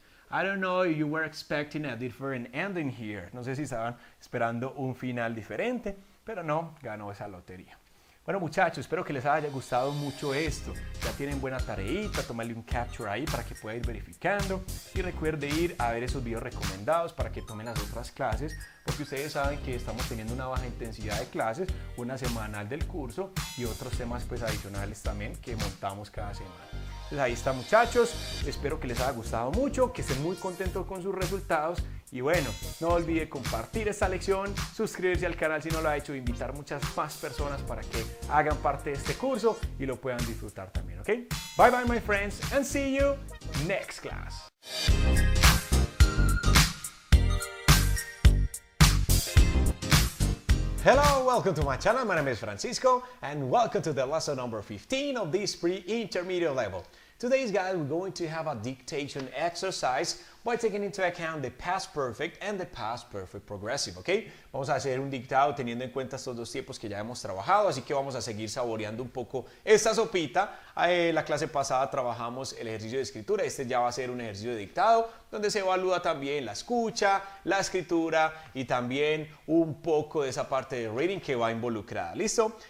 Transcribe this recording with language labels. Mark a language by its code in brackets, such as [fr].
[en] I don't know if you were expecting a different ending here. [es] No sé si estaban esperando un final diferente, pero no, ganó esa lotería. Bueno, muchachos, espero que les haya gustado mucho esto. Ya tienen buena tareita, tómale un capture ahí para que pueda ir verificando. Y recuerde ir a ver esos videos recomendados para que tomen las otras clases, porque ustedes saben que estamos teniendo una baja intensidad de clases, una semanal del curso y otros temas pues adicionales también que montamos cada semana. Entonces ahí está, muchachos. Espero que les haya gustado mucho, que estén muy contentos con sus resultados. Y bueno, no olvide compartir esta lección, suscribirse al canal si no lo ha hecho, invitar muchas más personas para que hagan parte de este curso y lo puedan disfrutar también, ¿ok? [en] Bye bye, my friends, and see you next class. Hello, welcome to my channel. My name is Francisco, and welcome to the lesson number 15 of this pre-intermediate level. Today, guys, we're going to have a dictation exercise by taking into account the past perfect and the past perfect progressive, ¿ok? [es] Vamos a hacer un dictado teniendo en cuenta estos dos tiempos que ya hemos trabajado, así que vamos a seguir saboreando un poco esta sopita. La clase pasada trabajamos el ejercicio de escritura, este ya va a ser un ejercicio de dictado donde se evalúa también la escucha, la escritura y también un poco de esa parte de reading que va involucrada, ¿listo?